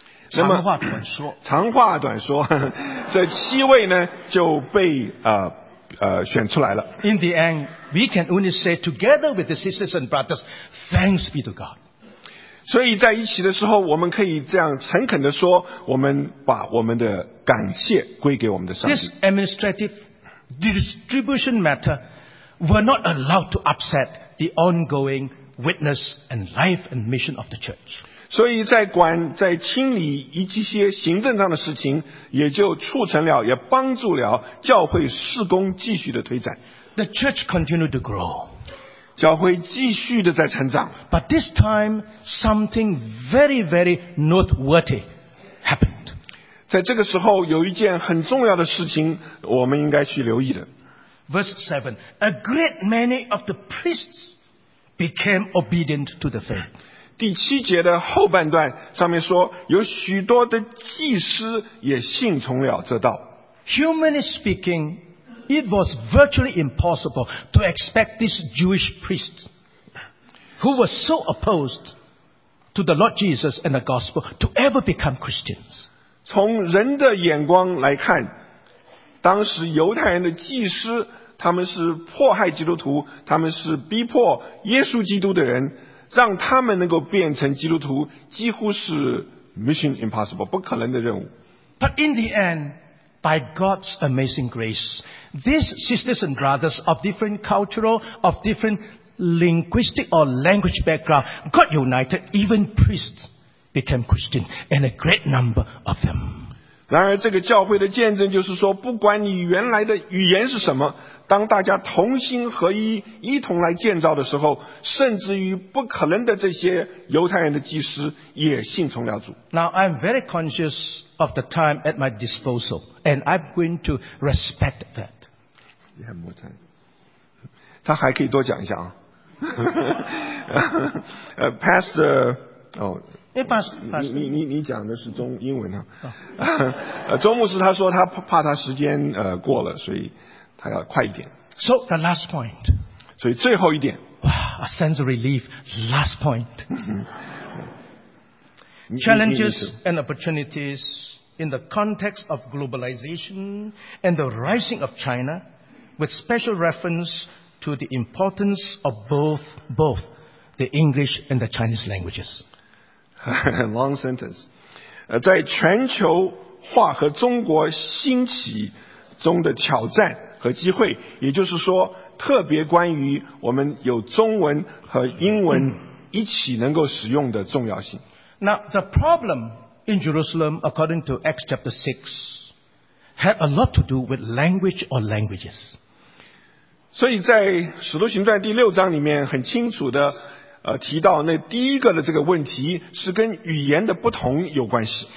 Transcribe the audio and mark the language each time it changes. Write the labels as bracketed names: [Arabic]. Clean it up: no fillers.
[Chinese] 长话短说，这七位呢就被选出来了。 [English] In the end, we can only say together with the sisters and brothers, thanks be to God. [Chinese] 所以在一起的时候，我们可以这样诚恳的说，我们把我们的感谢归给我们的上帝。 [English] This administrative distribution matter were not allowed to upset the ongoing witness and life and mission of the church. [Chinese] 所以在清理一些行政上的事情，也就促成了，也帮助了教会事工继续的推展。 [English] The church continued to grow. [Chinese] 教会继续的在成长。 [English] But this time, something very, very noteworthy happened. [Chinese] 在这个时候，有一件很重要的事情，我们应该去留意的。 [English] Verse 7, a great many of the priests became obedient to the faith. [Chinese] 第七节的后半段上面说，有许多的祭司也信从了这道。 [English] Humanly speaking, it was virtually impossible to expect this Jewish priest, who was so opposed to the Lord Jesus and the gospel, to ever become Christians. [Chinese] 从人的眼光来看，当时犹太人的祭司，他们是迫害基督徒，他们是逼迫耶稣基督的人。让他们能够变成基督徒，几乎是 [English] mission impossible [Chinese] 不可能的任务。 [English] But in the end, by God's amazing grace, these sisters and brothers of different cultural, of different linguistic or language background got united. Even priests became Christian, and a great number of them. [Chinese] 然而，这个教会的见证就是说，不管你原来的语言是什么。当大家同心合一一同来建造的时候，甚至于不可能的这些犹太人的祭司也信从了主。 [English] Now I'm very conscious of the time at my disposal and I'm going to respect that. You have more time. [Chinese] 他还可以多讲一下啊。Pastor, Pastor, 你讲的是中英文啊。周牧师他说他怕他时间过了，所以还要快一点。 [English] So the last point. [Chinese] 所以最后一点。 [English] Wow, a sense of relief. Last point. Challenges and opportunities in the context of globalization and the rising of China, with special reference to the importance of both the English and the Chinese languages. Long sentence. [Chinese] 在全球化和中国兴起中的挑战。和机会，也就是说，特别关于我们有中文和英文一起能够使用的重要性。 [English] Now the problem in Jerusalem, according to Acts chapter 6, had a lot to do with language or languages. [Chinese] 所以在《使徒行传》第六章里面很清楚的提到那第一个的这个问题是跟语言的不同有关系。